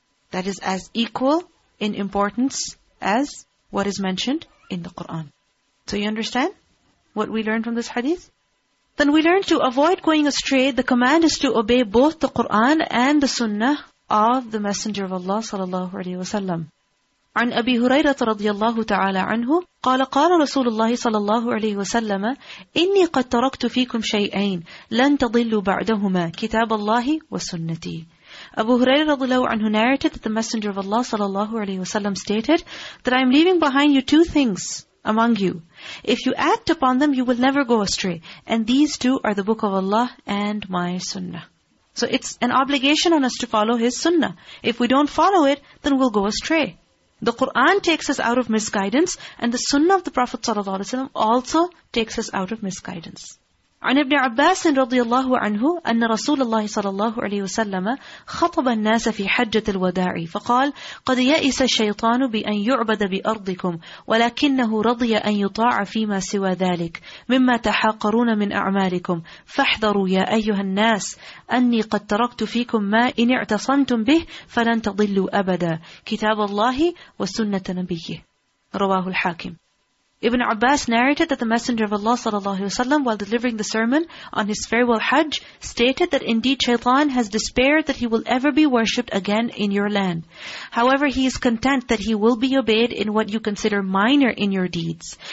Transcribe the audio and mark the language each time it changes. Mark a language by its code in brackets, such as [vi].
[en] That is as equal in importance as what is mentioned in the Qur'an. So you understand what we learned from this hadith? Then we learn to avoid going astray. The command is to obey both the Qur'an and the sunnah of the Messenger of Allah sallallahu alayhi wa sallam. [ar] عن أبي هريرة رضي الله تعالى عنه قال قال رسول الله صلى الله عليه وسلم إني قد تركت فيكم شيئين لن تضلوا بعدهما كتاب الله وسنتي. [en] Abu Hurairah radhiyallahu anhu narrated that the Messenger of Allah sallallahu alayhi wasallam stated that I am leaving behind you two things among you. If you act upon them, you will never go astray. And these two are the Book of Allah and my Sunnah. So it's an obligation on us to follow his Sunnah. If we don't follow it, then we'll go astray. The Qur'an takes us out of misguidance, and the Sunnah of the Prophet sallallahu alayhi wasallam also takes us out of misguidance. [ar] عن ابن عباس رضي الله عنه أن رسول الله صلى الله عليه وسلم خطب الناس في حجة الوداع فقال قد يئس الشيطان بأن يعبد بأرضكم ولكنه رضي أن يطاع فيما سوى ذلك مما تحاقرون من أعمالكم فاحذروا يا أيها الناس أني قد تركت فيكم ما إن اعتصمتم به فلن تضلوا أبدا كتاب الله وسنة نبيه رواه الحاكم. [en] Ibn Abbas narrated that the Messenger of Allah sallallahu alaihi wasallam, while delivering the sermon on his farewell Hajj, stated that indeed Shaytan has despaired that he will ever be worshipped again in your land. However, he is content that he will be obeyed in what you consider minor in your deeds.